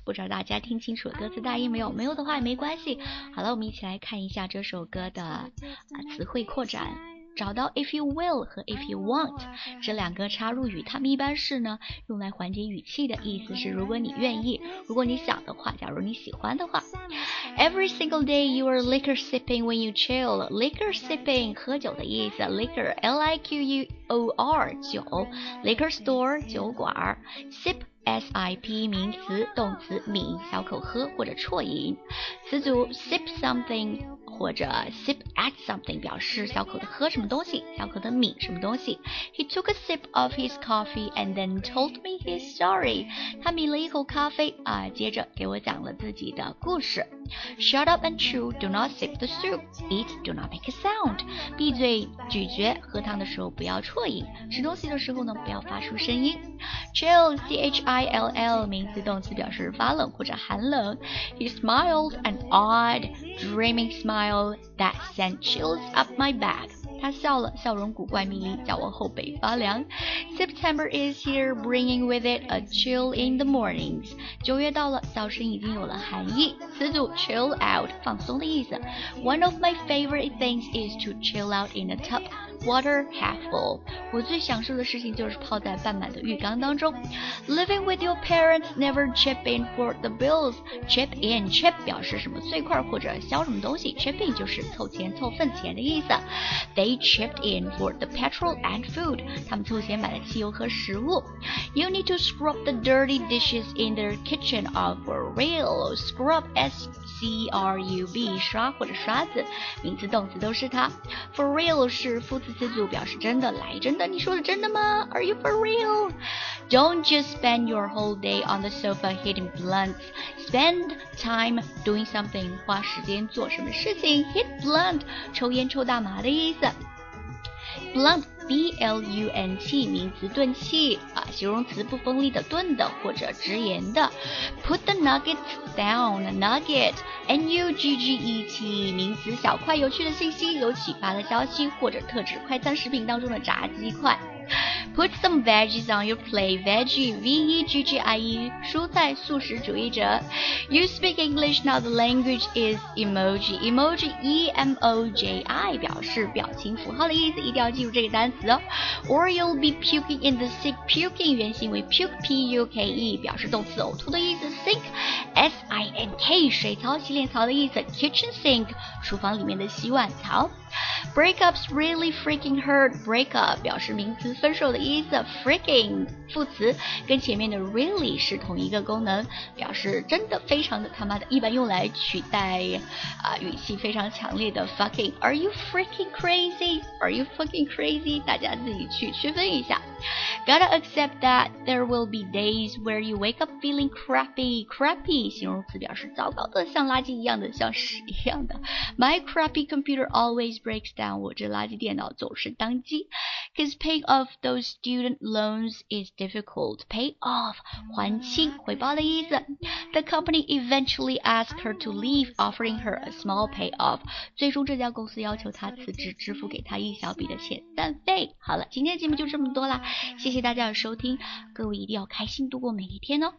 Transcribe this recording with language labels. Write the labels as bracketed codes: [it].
[zh] 不知道大家听清楚歌词大意没有？没有的话也没关系。好了，我们一起来看一下这首歌的词汇扩展。找到 if you will 和 if you want 这两个插入语，它们一般是呢用来缓解语气的意思，是如果你愿意，如果你想的话，假如你喜欢的话。 [en] Every single day you are liquor sipping when you chill. Liquor sipping [zh] 喝酒的意思 [en] ，liquor l i q u o r 酒 ，liquor store [zh] 酒馆 [en] ，sip s i p [zh] 名词动词抿小口喝或者啜饮，词组 [en] sip something。 [zh] 或者 sip at something 表示小口的喝什么东西，小口的抿什么东西。 [en] He took a sip of his coffee and then told me his story. [zh] 他抿了一口咖啡啊，接着给我讲了自己的故事。 [en] Shut up and chew, do not sip the soup. Eat, do not make a sound. [zh] 闭嘴咀嚼，喝汤的时候不要啜饮，吃东西的时候呢不要发出声音。 Chill, chill 名词动词表示发冷或者寒冷。 [en] He smiled an odd, dreaming smile. That sent chills up my back. [zh] 他笑了，笑容古怪迷离，叫我后背发凉。 [en] September is here, bringing with it a chill in the mornings. [zh] 九月到了，早晨已经有了寒意。词组 [en] chill out [zh] 放松的意思。 [en] One of my favorite things is to chill out in a tub. Water half full. [zh] 我最享受的事情就是泡在半满的浴缸当中。 [en] Living with your parents, never chip in for the bills. [zh] Chip in, chip 表示什么碎块或者削什么东西。 Chip in 就是凑钱凑份钱的意思。 [en] They chipped in for the petrol and food. [zh] 他们凑钱买了汽油和食物。 [en] You need to scrub the dirty dishes in their kitchen for real. [zh] Scrub S-C-R-U-B, 刷或者刷子。名词动词都是它。 For real 是副词组表示真的，来真的，你说的真的吗 ？ [en] Are you for real? Don't just spend your whole day on the sofa hitting blunts. Spend time doing something. [zh] 花时间做什么事情 ？ [en] Hit blunt， [zh] 抽烟抽大麻的意思。 Blunt B-L-U-N-T 名词钝器啊，形容词不锋利的钝的或者直言的。 [en] Put the nuggets down [zh] nugget N-U-G-G-E-T 名词小块有趣的信息有启发的消息或者特指快餐食品当中的炸鸡块。 [en] Put some veggies on your plate. [zh] Veggie, V-E-G-G-I-E, 蔬菜素食主义者。 [en] You speak English, now the language is emoji. [zh] Emoji, E-M-O-J-I, 表示表情符号的意思，一定要记住这个单词哦。 [en] Or you'll be puking in the sink. [zh] Puking 原型为 puke, P-U-K-E, 表示动词呕吐的意思。Sink, S-I-N-K, 配水槽、洗脸槽的意思 kitchen sink 厨房里面的洗碗槽。 [en] Breakups really freaking hurt. [zh] Breakup 表示名词分手的意思， freaking 副词跟前面的 really 是同一个功能，表示真的非常的他妈的，一般用来取代、语气非常强烈的 fucking. [en] Are you freaking crazy? Are you fucking crazy? [zh] 大家自己去区分一下。 [en] Gotta accept that there will be days where you wake up feeling crappy. [zh] Crappy 形容词表示糟糕的，像垃圾一样的，像屎一样的。 [en] My crappy computer always breaks down. [zh] 我这垃圾电脑总是当机。 [en] Cause paying off those student loans is difficult. [zh] Pay off 还清，回报的意思。 [en] The company eventually asked her to leave, offering her a small payoff. [zh] 最终这家公司要求她辞职，支付给她一小笔的遣散费。好了，今天节目就这么多了。谢谢大家的收听，各位一定要开心度过每一天哦。